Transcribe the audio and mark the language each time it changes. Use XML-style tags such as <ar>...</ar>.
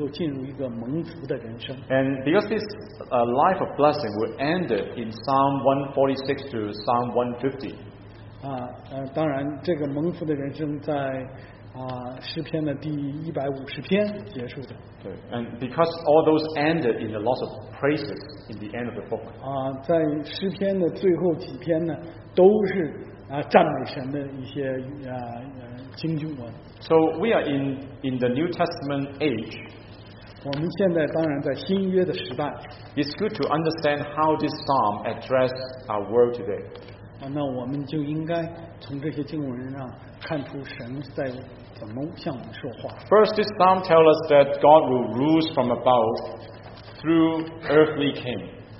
<zh>我也讲了诗篇的第一章和第二章，就是我们这个一个门，通过这个门，我们就能够进入一个蒙福的人生。And</zh> <en>because this life of blessing will end in Psalm 146 to Psalm 150.</en> <zh>当然这个蒙福的人生在。诗篇的第150篇结束的。对，</zh> <en>and because all those ended in the loss of praises in the end of the book.</en> <zh>在诗篇的最后几篇呢，都是赞美神的一些经卷文。</zh> <en>So we are in the New Testament age.</en> <zh>我们现在当然在新约的时代。</zh> <en>It's good to understand how this psalm addresses our world today.</en> <zh>那我们就应该从这些经文上看出神在。</zh> <en>First, this psalm tells us that God will rule from above through earthly king.</en>